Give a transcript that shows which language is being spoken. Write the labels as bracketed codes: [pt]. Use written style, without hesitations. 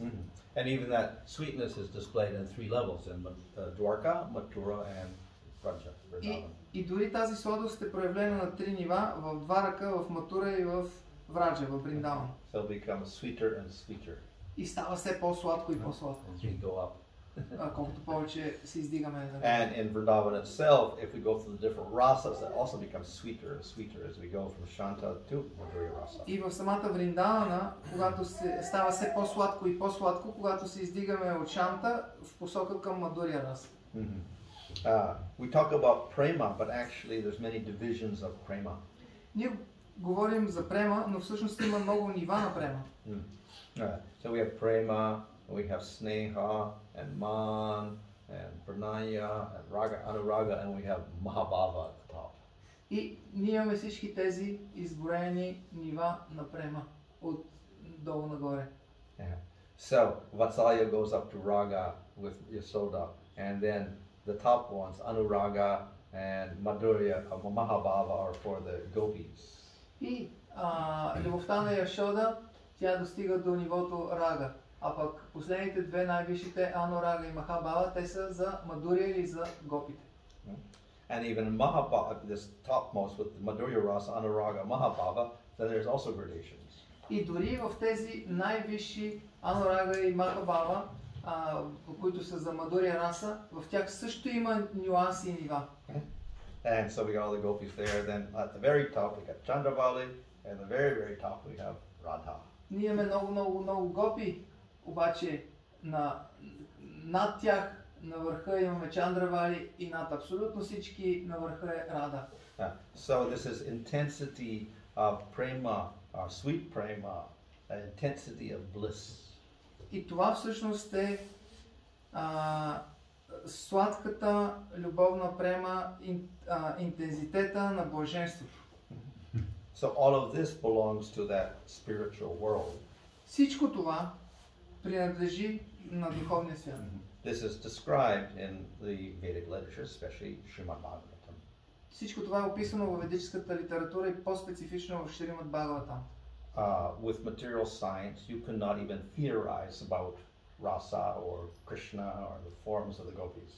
[en] Mm-hmm. And even that sweetness is displayed in three levels in Dwarka, Mathura and Vraja. [bg] И дори тази сладост е проявлена на три нива, в Дварака, в Матура и в Враджа, в Бриндаван. [en] So it becomes sweeter and sweeter. [bg] И става все по-сладко и по-сладко. [en] As we go up. [bg] Колкото повече се издигаме. [en] And in Vrindavan itself, if we go through the different rasas, it also becomes sweeter and sweeter as we go from Shanta to Madhurya rasa. [bg] И в самата Вриндавана, когато се става все по-сладко и по-сладко, когато се издигаме от Шанта в посока към Мадурия раса. [en] We talk about prema, but actually there's many divisions of prema. [bg] Ние говорим за према, но всъщност има много нива на према. [en] So we have prema, we have sneha, and man, and pranaya, and raga, anuraga, and we have mahabhava at the top. [bg] И ние имаме всички тези изброени нива на према от долу нагоре. [en] So vatsalya goes up to raga with yasoda, and then the top ones, anuraga and madhurya, mahabhava, are for the gopis. [bg] И любовта на Яшода, тя достига до нивото рага. А пък последните две най-вишите, Анурага и Махабава, те са за Мадурия или за гопите. [en] And even Mahabhava, this topmost with Madhurya Rasa, Anuraga, Mahabhava, then there's also gradations. [bg] И дори в тези най-висши Анурага и Махабава, които са за Мадурия раса, в тях също има нюанси и нива. [en] And so we got all the gopis there, then at the very top we got Chandravali, and the very, very top we have Radha. [bg] Ние имаме много гопи, обаче над тях, на върха имаме Чандравали и над абсолютно всички, на върха е Рада. [en] So this is intensity of prema, or sweet prema, intensity of bliss. [bg] И това всъщност е сладката любовна према, интензитета на блаженството. [en] So all of this belongs to that spiritual world. [bg] Всичко това принадлежи на духовния свят. [en] This is described in the Vedic literature, especially Shrimad Bhagavatam. [bg] Всичко това е описано в ведическата литература и по-специфично в Шримад Бхагаватам. [en] With material science, you cannot even theorize about rasa or Krishna or the forms of the gopis.